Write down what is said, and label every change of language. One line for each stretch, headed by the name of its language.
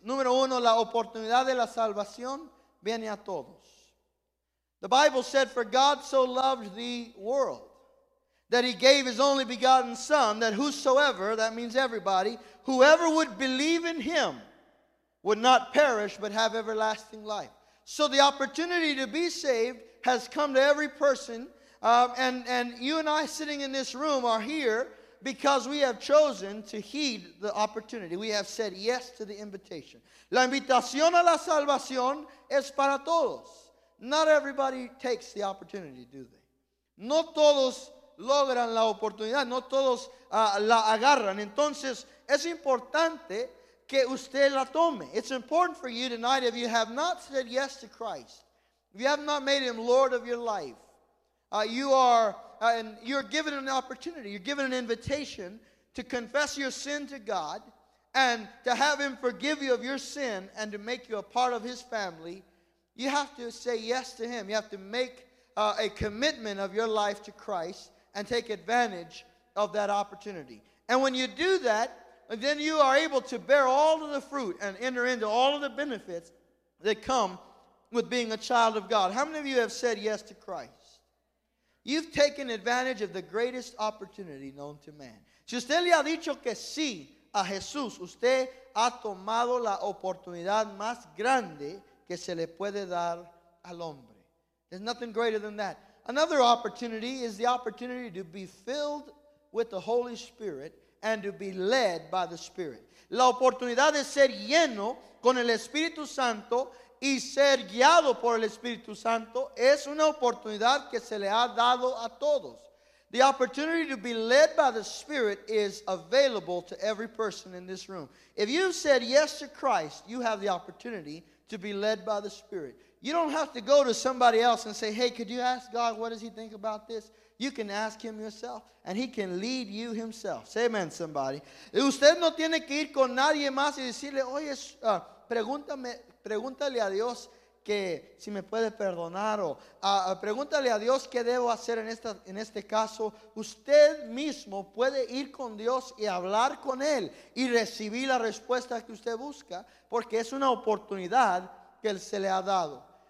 Spanish: Número uno, la oportunidad de la salvación viene a todos.
English: The Bible said, for God so loved the world that He gave His only begotten Son, that whosoever, that means everybody, whoever would believe in Him would not perish but have everlasting life. So the opportunity to be saved has come to every person, and you and I sitting in this room are here because we have chosen to heed the opportunity. We have said yes to the invitation.
Spanish: La invitación a la salvación es para todos.
English: Not everybody takes the opportunity, do they?
Spanish: No todos logran la oportunidad, no todos la agarran. Entonces, es importante que usted la tome.
English: It's important for you tonight, if you have not said yes to Christ, if you have not made Him Lord of your life, you're given an opportunity, you're given an invitation to confess your sin to God and to have Him forgive you of your sin and to make you a part of His family. You have to say yes to Him. You have to make a commitment of your life to Christ and take advantage of that opportunity. And when you do that, then you are able to bear all of the fruit and enter into all of the benefits that come with being a child of God. How many of you have said yes to Christ? You've taken advantage of the greatest opportunity known to man.
Spanish: Si usted le ha dicho que sí a Jesús, usted ha tomado la oportunidad más grande que se le puede dar al hombre.
English: There's nothing greater than that. Another opportunity is the opportunity to be filled with the Holy Spirit and to be led by the Spirit.
Spanish: La oportunidad de ser lleno con el Espíritu Santo y ser guiado por el Espíritu Santo es una oportunidad que se le ha dado a todos.
English: The opportunity to be led by the Spirit is available to every person in this room. If you said yes to Christ, you have the opportunity to be led by the Spirit. You don't have to go to somebody else and say, hey, could you ask God, what does He think about this? You can ask Him yourself, and He can lead you Himself. Say amen, somebody.
Spanish: Usted no tiene que ir con nadie más y decirle, oye, pregúntale a Dios que si me puede perdonar o pregúntale a Dios qué debo hacer en este caso. Usted mismo puede ir con Dios y hablar con Él y recibir la respuesta que usted busca porque es una oportunidad que Él se le ha dado.